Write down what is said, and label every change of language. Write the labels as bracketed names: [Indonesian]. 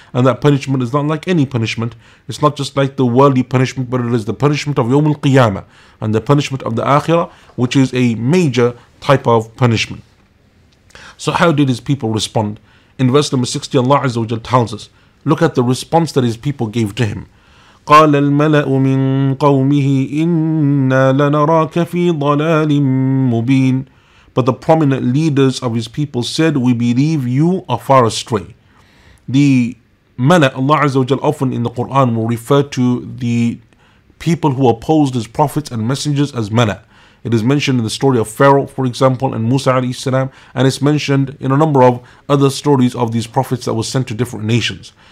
[English] And that punishment is not like any punishment. It's not just like the worldly punishment, but it is the punishment of Yawm al-Qiyamah and the punishment of the Akhirah, which is a major type of punishment. So how did his people respond? In verse number 60, Allah Azza wa Jalla tells us, look at the response that his people gave to him. [Arabic] قال الملأ من قومه إنا لنراك في ضلال مبين. [English] But the prominent leaders of his people said, we believe you are far astray. The Malak, Allah Azza wa Jal, often in the Quran will refer to the people who opposed his prophets and messengers as Malak. It is mentioned in the story of Pharaoh, for example, and Musa alayhi salam, and it's mentioned in a number of other stories of these prophets that were sent to different nations.